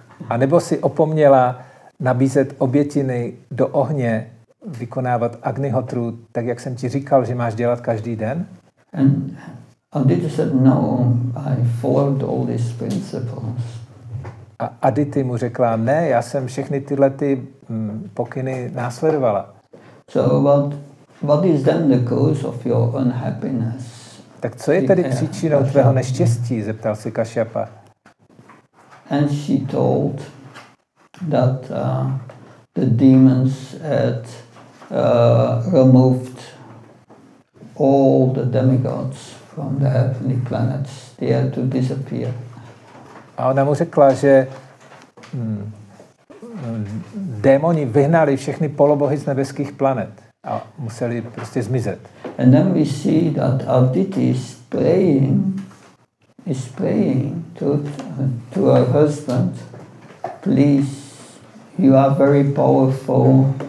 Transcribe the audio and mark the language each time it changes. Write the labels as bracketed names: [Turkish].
[Czech] A nebo si opomněla nabízet obětiny do ohně, vykonávat Agnihotru, tak jak jsem ti říkal, že máš dělat každý den? [English] And Aditi said, no, I followed all these principles. [Czech] A Aditi mu řekla, ne, já jsem všechny tyhle ty pokyny následovala. [English] So what is then the cause of your unhappiness? [Czech] Tak co je tedy příčinou tvého neštěstí, zeptal si Kashyapa. [English] And she told that the demons at removed all the demigods from the heavenly planets. They had to disappear. [Czech] A ona mu řekla, že démoni vyhnali všechny polobohy z nebeských planet a museli prostě zmizet. [English] And then we see that Aditi is praying to her husband, please, you are very powerful.